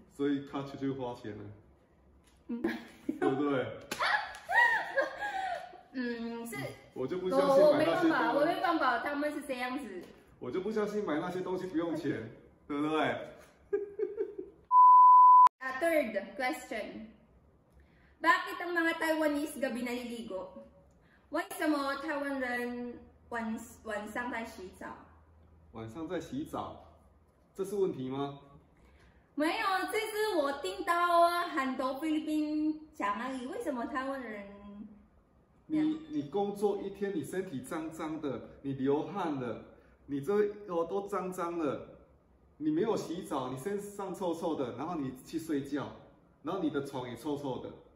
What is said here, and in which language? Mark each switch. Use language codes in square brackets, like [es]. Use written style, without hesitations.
[zh] 所以 culture 就花钱了，对不对？是。我就不相信买那些东西。我没办法，他们是这样子。我就不相信买那些东西不用钱，对不对？ [en] A third question. [tl] Bakit ang mga Taiwanese gabi naliligo? [en] Why some [zh] Taiwan 人晚上在洗澡？晚上在洗澡，这是问题吗？没有，这是我听到很多菲律宾讲而已。为什么台湾人？你工作一天，你身体脏脏的，你流汗了，你这头都脏脏了，你没有洗澡，你身上臭臭的，然后你去睡觉，然后你的床也臭臭的。